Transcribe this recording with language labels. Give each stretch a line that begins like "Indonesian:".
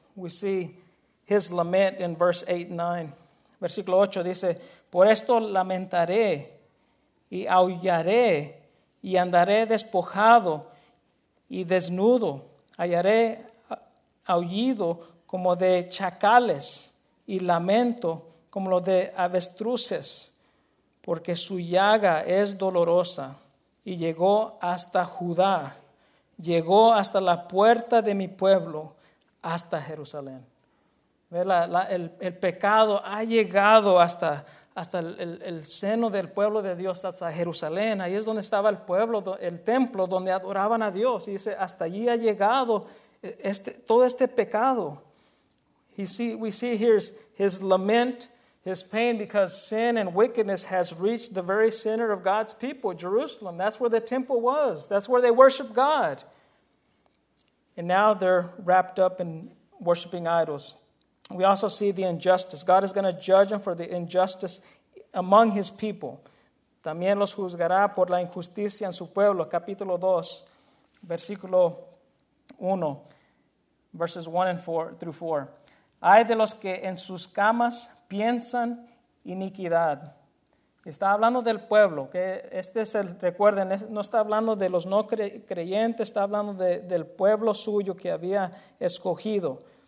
English: We see his lament in verse 8 and 9.
Spanish: Versículo 8 dice: por esto lamentaré y aullaré, y andaré despojado y desnudo. Hallaré aullido como de chacales, y lamento como lo de avestruces, porque su llaga es dolorosa, y llegó hasta Judá, llegó hasta la puerta de mi pueblo, hasta Jerusalén. El pecado ha llegado hasta el seno del pueblo de Dios, hasta Jerusalén. Ahí es donde estaba el pueblo, el templo, donde adoraban a Dios. Y dice, hasta allí ha llegado todo este pecado.
English: We see here his lament, his pain, because sin and wickedness has reached the very center of God's people, Jerusalem. That's where the temple was. That's where they worship God. And now they're wrapped up in worshiping idols. We also see the injustice. God is going to judge them for the injustice among his people.
Spanish: También los juzgará por la injusticia en su pueblo. Capítulo 2, versículo 1, verses 1 and 4 through 4. Hay de los que en sus camas piensan iniquidad. Está hablando del pueblo. Que este es el, recuerden, no está hablando de los no creyentes, está hablando del pueblo suyo que había escogido.